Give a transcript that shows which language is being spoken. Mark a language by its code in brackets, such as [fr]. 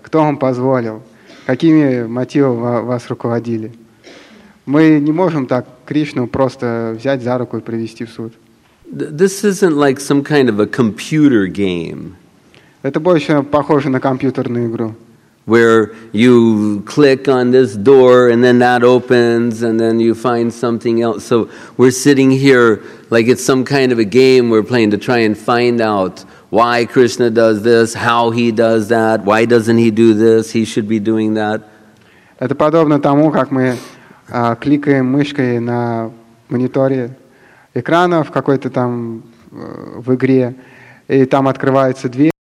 [ru] Кто вам позволил? Какими мотивами вас руководили? Мы не можем так Кришну просто взять за руку и привести в суд. [en] This isn't like some kind of a computer game. [ru] Это больше похоже на компьютерную игру. [en] Where you click on this door and then that opens and then you find something else. So we're sitting here like it's some kind of a game we're playing to try and find out why Krishna does this, how he does that, why doesn't he do this, he should be doing that. [ru] Это подобно тому, как мы кликаем мышкой на мониторе экрана в какой-то там в игре, и там открывается дверь.